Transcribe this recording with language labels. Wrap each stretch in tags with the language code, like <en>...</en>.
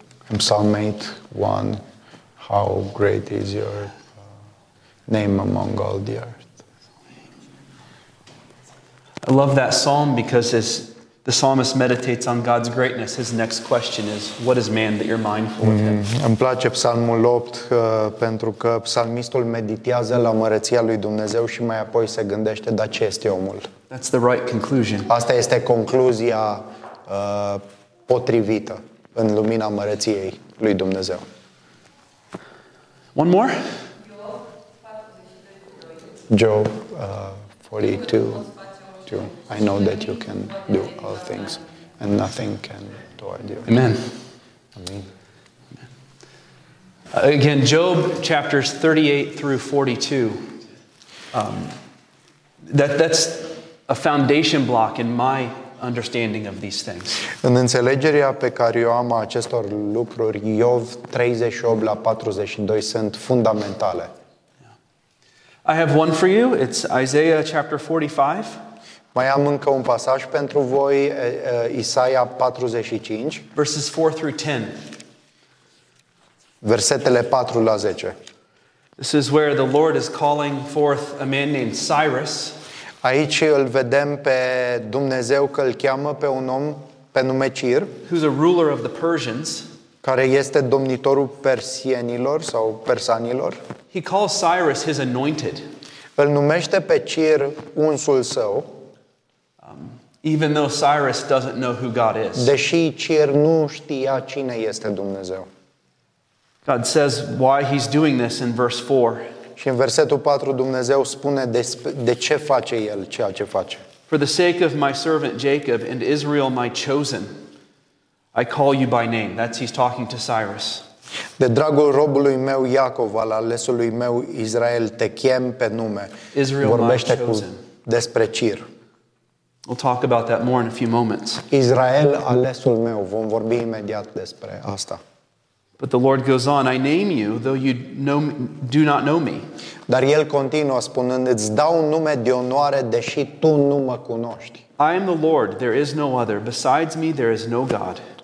<en>In Psalm 8, 1, how great is your name among all the earth. I love that psalm because as the psalmist meditates on God's greatness, his next question is, what is man that you're mindful of him?</en> <ro>Îmi place Psalmul 8 pentru că psalmistul meditează la măreția lui Dumnezeu și mai apoi se gândește, dar ce este omul?</ro> <en>That's the right conclusion.</en> <ro>Asta este concluzia potrivită. În lumina măreției lui Dumnezeu.</ro> <en>One more? Job 42. I know that you can do all things and nothing can thwart you. Amen. Amen. Again, Job chapters 38 through 42. That's a foundation block in my understanding of these things.</en> <ro>În înțelegerea pe care o am a acestor lucruri, Iov 38 la 42 sunt fundamentale.</ro> <en>I have one for you. It's Isaiah chapter 45.</en> <ro>Mai am încă un pasaj pentru voi, Isaia 45,</ro> <en>verses 4 through 10.</en> <ro>Versetele 4 la 10.</ro> <en>This is where the Lord is calling forth a man named Cyrus.</en> <ro>Aici îl vedem pe Dumnezeu că îl cheamă pe un om pe nume Cir,</ro> <en>who's a ruler of the Persians,</en> <ro>care este domnitorul persienilor sau persanilor.</ro> <en>He calls Cyrus his anointed.</en> <ro>Îl numește pe Cir unsul său.</ro> <en>Even though Cyrus doesn't know who God is.</en> <ro>Deși Cir nu știa cine este Dumnezeu.</ro> <en>God says why he's doing this in verse 4.</en> <ro>Și în versetul 4 Dumnezeu spune de ce face el ceea ce face.</ro> <en>For the sake of my servant Jacob and Israel my chosen, I call you by name. That's he's talking to Cyrus.</en> <ro>De dragul robului meu Iacov, al alesului meu Israel, te chem pe nume.</ro> <en>Israel,</en> <ro>vorbește</ro> <en>my chosen.</en> <ro>Despre Cir.</ro> <en>We'll talk about that more in a few moments.</en> <ro>Israel, alesul meu, vom vorbi imediat despre asta.</ro> <en>But the Lord goes on, I name you, though you know, do not know me.</en> <ro>Dar el continuă spunând, îți dau un nume de onoare, deși tu nu mă cunoști.</ro> <en>I am the Lord, there is no other. Besides me, there is no God.</en>